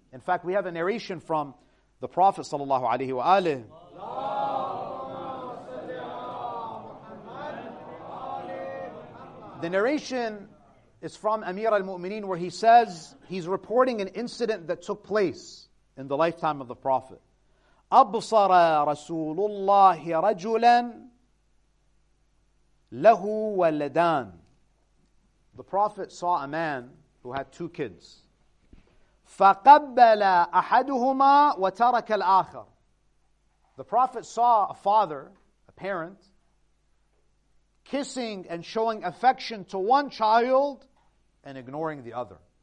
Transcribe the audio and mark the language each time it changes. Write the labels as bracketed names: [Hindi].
[English] In fact, we have a narration from the Prophet sallallahu alaihi wa alihi. The narration is from Amir al-Mu'mineen, where he says he's reporting an incident that took place in the lifetime of the Prophet. [Arabic] أبصر رسول الله رجلا له ولدان. [English] The Prophet saw a man who had 2 kids. [Arabic] فقبل أحدهما وترك الآخر. [English] The Prophet saw a father, a parent, kissing and showing affection to one child and ignoring the other.